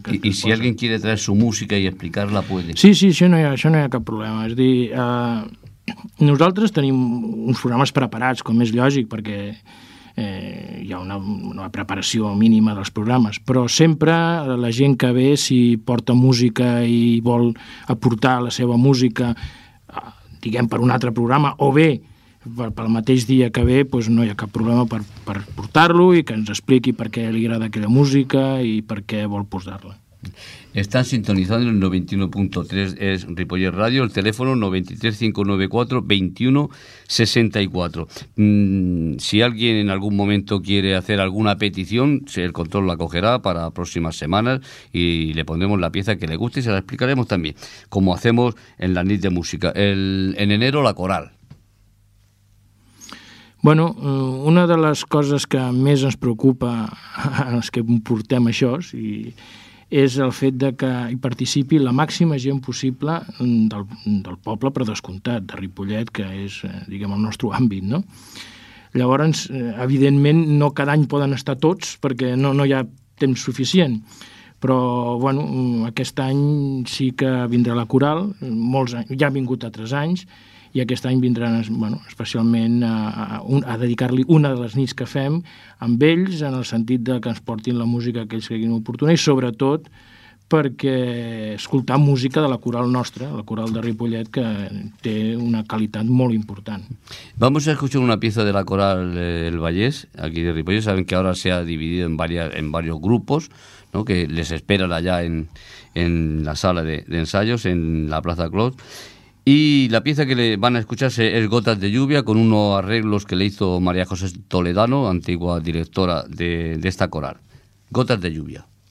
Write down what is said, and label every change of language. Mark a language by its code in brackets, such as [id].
[ca] i si algú [es] quiere traer su música i explicar-la, puede. [ca] Sí, això no hi ha cap problema. És dir, nosaltres tenim uns programes preparats, com és lògic, perquè hi ha una preparació mínima dels programes, però sempre la gent que ve, si porta música i vol aportar la seva música, diguem, per un altre programa, o bé pel mateix dia que ve, doncs no hi ha cap problema per portar-lo i que ens expliqui per què li agrada aquella música i per què vol posar-la. [es] Están sintonizando el 91.3, es Ripollet Radio, el teléfono 93-594-2164. Si alguien en algún momento quiere hacer alguna petición, el control la cogerá para próximas semanas y le pondremos la pieza que le guste y se la explicaremos también, como hacemos en la NIT de Música. En enero, la coral. [ca] Bueno, [es] una de las cosas [ca] que més ens preocupa a los que portem això, si... és el fet de que hi participi la màxima gent possible del poble, per descomptat, de Ripollet, que és, diguem, el nostre àmbit, no? Llavors, evidentment, no cada any poden estar tots, perquè no hi ha temps suficient, però bueno, aquest any sí que vindrà la coral, molts anys, ja ha vingut altres anys, i aquest any vindran bueno, especialment a dedicar-li una de les nits que fem amb ells, en el sentit de que ens portin la música que ells creguin oportuna, i sobretot perquè escoltar música de la coral nostra, la coral de Ripollet, que té una qualitat molt important. [es] Vamos a escuchar una pieza de la coral El Vallès, aquí de Ripollet. Saben que ahora se ha dividido en varios grupos, ¿no? Que les esperan allá en la sala de ensayos, en la Plaza Clot. Y la pieza que le van a escuchar es Gotas de lluvia, con unos arreglos que le hizo María José Toledano, antigua directora de esta coral. Gotas de lluvia.